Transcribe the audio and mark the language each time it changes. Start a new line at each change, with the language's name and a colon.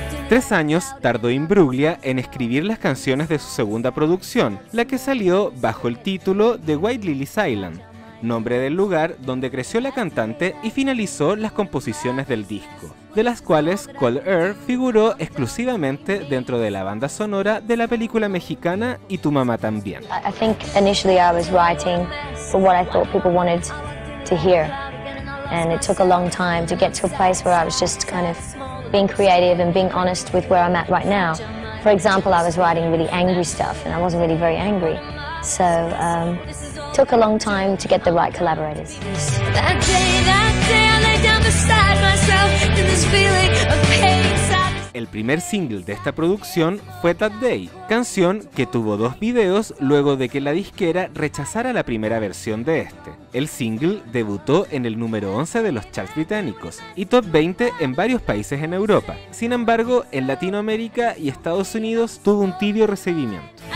Spanish: 3 años tardó Imbruglia en escribir las canciones de su segunda producción, la que salió bajo el título de White Lily's Island. nombre del lugar donde creció la cantante y finalizó las composiciones del disco, de las cuales Cold Air figuró exclusivamente dentro de la banda sonora de la película mexicana Y tu mamá también.
English: I think initially I was writing for what I thought people wanted to hear, and it took a long time to get to a place where I was just kind of being creative and being honest with where I'm at right now. For example, I was writing really angry stuff, and I wasn't really very angry. So, took a long time to get the right collaborators. That day I lay down beside myself in this feeling of pain.
Spanish: El primer single de esta producción fue That Day, canción que tuvo dos videos luego de que la disquera rechazara la primera versión de este. El single debutó en el número 11 de los charts británicos y top 20 en varios países en Europa. Sin embargo, en Latinoamérica y Estados Unidos tuvo un tibio recibimiento.